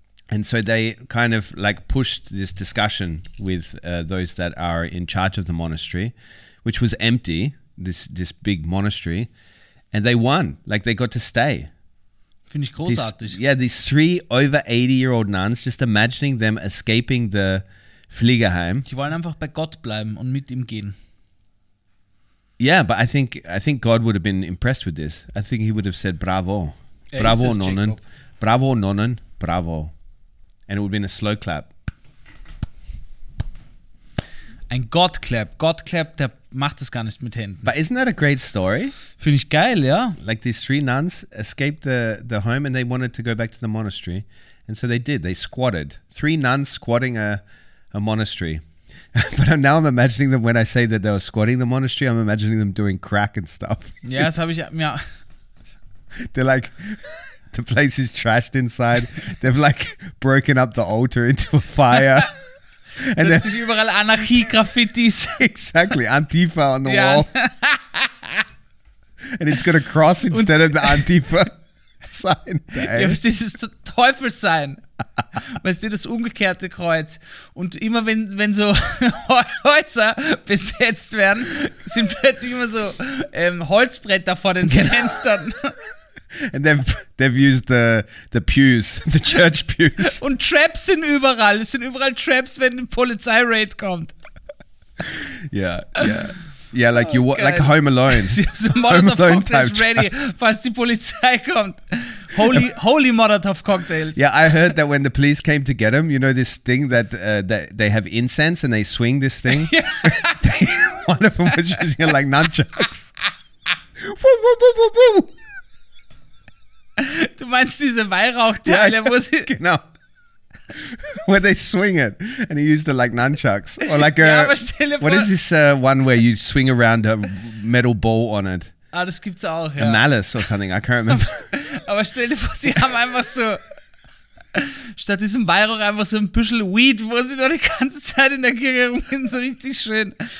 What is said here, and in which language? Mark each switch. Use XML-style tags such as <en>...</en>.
<en>And so they kind of like pushed this discussion with those that are in charge of the monastery, which was empty, this big monastery. And they won. Like they got to stay.</en> <de>Finde ich großartig.</de> <en>These three over 80-year-old nuns, just imagining them escaping the Pflegeheim.</en> <de>Die wollen einfach bei Gott bleiben und mit ihm gehen.</de> <en>Yeah, but I think God would have been impressed with this. I think he would have said, bravo. Bravo, nonnen. Bravo, nonnen. Bravo. And it would have been a slow clap.</en> <de>Ein Godclap. Godclap, der macht das gar nicht mit Händen.</de> <en>But isn't that a great story?</en> <de>Finde ich geil, ja.</de> <en>Like these three nuns escaped the home and they wanted to go back to the monastery. And so they did. They squatted. Three nuns squatting a monastery. But now I'm imagining them, when I say that they were squatting the monastery, I'm imagining them doing crack and stuff.</en> <de>Ja, das habe ich, ja.</de> <en>They're like, the place is trashed inside. They've like broken up the altar into a fire. And then,</en> <de>sich überall Anarchie-Graffitis.</de> <en>Exactly, Antifa on the yeah. wall. And it's got a cross instead of the Antifa sign.</en> <de>Ja, was ist das Teufelssein? Weißt du, das umgekehrte Kreuz. Und immer wenn so Häuser besetzt werden, sind plötzlich immer so Holzbretter vor den Fenstern.</de> <en>And they've used the pews, the church pews.</en> <de>Und Traps sind überall. Es sind überall Traps, wenn ein Polizeiraid kommt.</de> <en>Yeah, yeah. Yeah, like, you, like Home Alone.</en> <de>Sie haben so Molotov-Cocktails ready, falls die Polizei kommt.</de> <en>Holy Molotov cocktails. Yeah, I heard that when the police came to get him, you know this thing that that they have incense and they swing this thing? Yeah. One of them was just here like nunchucks. Woo, woo, woo, woo, woo.</en> <de>Du meinst diese Weihrauchteile, yeah, wo sie...</de> <en>Genau. Where they swing it. And he used it like nunchucks. Or like a...</en> <de>Ja, aber stell dir vor,</de> <en>what is this one where you swing around a metal ball on it?</en> <de>Ah, das gibt's auch, ja.</de> <en>A malice or something, I can't remember.</en> <de>Aber stell dir vor, sie haben einfach so... Statt diesem Weihrauch einfach so ein Büschel Weed, wo sie da die ganze Zeit in der Kirche rumgehen, so richtig schön.</de>